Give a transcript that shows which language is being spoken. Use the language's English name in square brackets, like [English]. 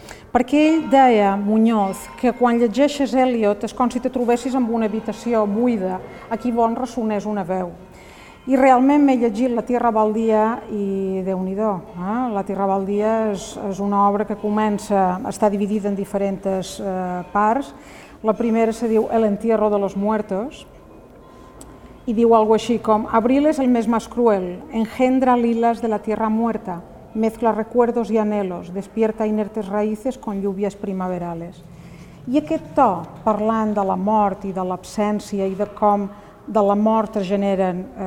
[Catalan] Perquè ell deia, Muñoz, que quan llegeixes Eliot és com si te trobessis en una habitació buida a qui bon ressonés una veu. I realment m'he llegit La Tierra Baldia i déu-n'hi-do. La Tierra Baldia és una obra que comença, està dividida en diferents parts. La primera se diu [Spanish] El entierro de los muertos [Catalan] i diu algo així com [Spanish] Abril es el mes más cruel, engendra lilas de la tierra muerta, mezcla recuerdos y anhelos, despierta inertes raíces con lluvias primaverales. [Catalan] I aquest to, parlant de la mort i de l'absència i de com de la mort es generen